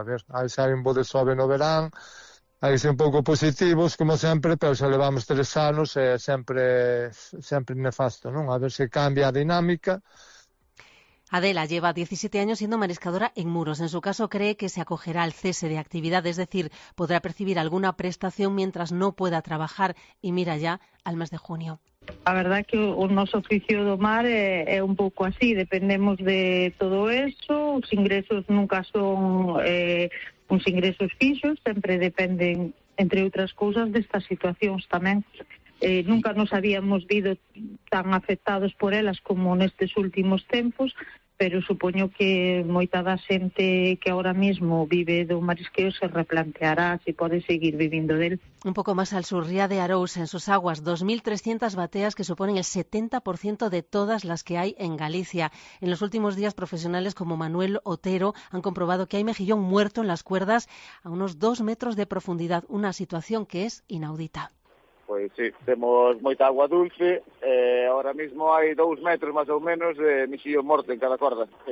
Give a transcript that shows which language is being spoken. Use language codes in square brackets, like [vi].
[gl] A ver, aí xa hai un bo de sobe no verán, hai que ser un pouco positivos, como sempre, pero xa levamos 3 anos, e sempre nefasto, non? A ver se cambia a dinámica. [es] Adela lleva 17 años siendo mariscadora en Muros. En su caso, cree que se acogerá al cese de actividad, es decir, podrá percibir alguna prestación mientras no pueda trabajar, y mira ya al mes de junio. [gl] A verdad que o noso oficio do mar é un pouco así, dependemos de todo eso, os ingresos nunca son uns ingresos fixos, sempre dependen, entre outras cousas, destas situacións tamén. Nunca nos habíamos vido tan afectados por elas como nestes últimos tempos, pero supoño que moita da xente que ahora mismo vive do marisqueo se replanteará se pode seguir vivindo del. [es] Un pouco máis al sur, Ría de Arousa, en sus aguas, 2.300 bateas que suponen el 70% de todas las que hai en Galicia. En los últimos días, profesionales como Manuel Otero han comprobado que hai mejillón muerto en las cuerdas a unos 2 metros de profundidad, una situación que es inaudita. [gl] Pois sí, temos moita agua dulce, ahora mismo hai 2 metros, máis ou menos, de mexillón morto en cada corda.